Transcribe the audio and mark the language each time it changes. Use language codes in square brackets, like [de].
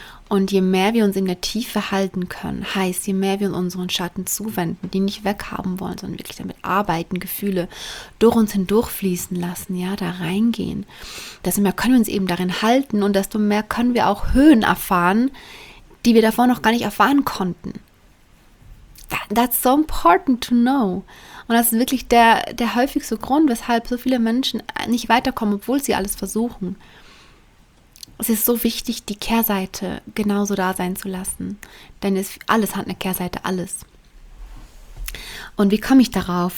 [de] Und je mehr wir uns in der Tiefe halten können, heißt, je mehr wir unseren Schatten zuwenden, die nicht weghaben wollen, sondern wirklich damit arbeiten, Gefühle durch uns hindurchfließen lassen, ja, da reingehen, desto mehr können wir uns eben darin halten und desto mehr können wir auch Höhen erfahren, die wir davor noch gar nicht erfahren konnten. [en] That's so important to know. [de] Und das ist wirklich der häufigste Grund, weshalb so viele Menschen nicht weiterkommen, obwohl sie alles versuchen. Es ist so wichtig, die Kehrseite genauso da sein zu lassen. Denn alles hat eine Kehrseite, alles. Und wie komme ich darauf?